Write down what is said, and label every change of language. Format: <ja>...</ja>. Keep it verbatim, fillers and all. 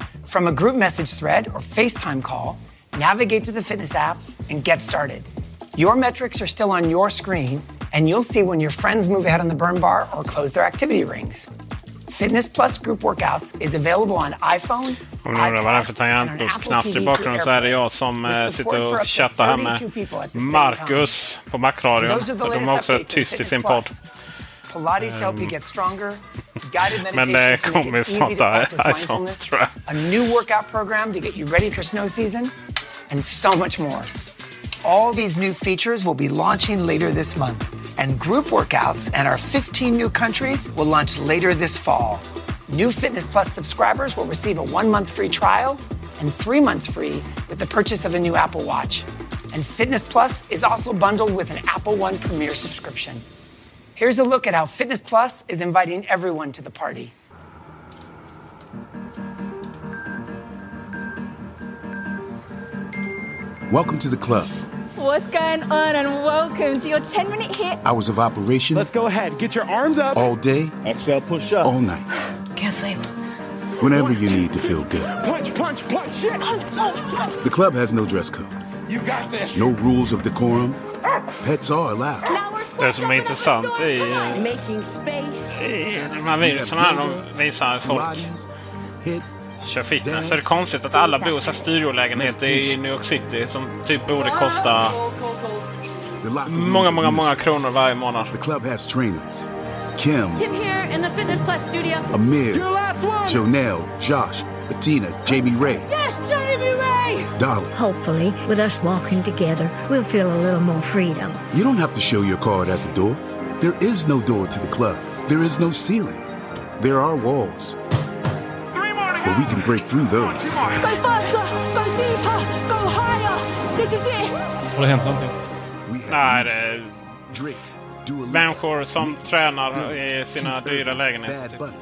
<en>From a group message thread or FaceTime call, navigate to the fitness app and get started. Your metrics are still on your screen, and you'll see when your friends move ahead on the burn bar or close their activity rings. Fitness Plus Group Workouts is available on iPhone,</en> <sv>Om ni undrar vad det är för tangentbordsknast i bakgrunden så är det jag som uh, sitter och chattar här med Marcus på Macradio. De har också tyst i sin podd.</sv> <en>Pilates to help you get stronger. Guided</en> <sv>Men det kommer från där iPhone, tror jag.</sv> <en>A new workout program to get you ready for snow season and so much more. All these new features will be launching later this month, and group workouts and our fifteen new countries will launch later this fall. New Fitness Plus subscribers will receive a one-month free trial and three months free with the purchase of a new Apple Watch. And Fitness Plus is also bundled with an Apple One Premier subscription. Here's a look at how Fitness Plus is inviting everyone to the party. Welcome to the club. What's going on, and welcome to your ten-minute hit. Hours of operation. Let's go ahead. Get your arms up. All day. Exhale, push up. All night. Can't sleep. Whenever you need to feel good. Punch, punch, punch, shit. Punch, punch, punch. The club has no dress code. You got this. No rules of decorum. Pets are allowed.</en> <sv>Det som är intressant i, i de här videorna här, de visar folk kör fitness. Så är det konstigt att alla bor i styrjolägenheter i New York City som typ borde kosta många, många, många kronor varje månad.</sv> <en>The club has trainers. Kim. Kim here in the Fitness Plus studio. Amir. Your last one. Jonelle, Josh, Bettina, Jamie Ray. Yes, Jamie Ray! Dolly. Hopefully, with us walking together, we'll feel a little more freedom. You don't have to show your card at the door. There is no door to the club. There is no ceiling. There are walls. Three more to go. But we can break through those. Go faster, go deeper, go higher. This is it.</en> <sv>Har det hänt någonting? Nej, det är människor som tränar i sina dyra lägenheter. Typ.</sv>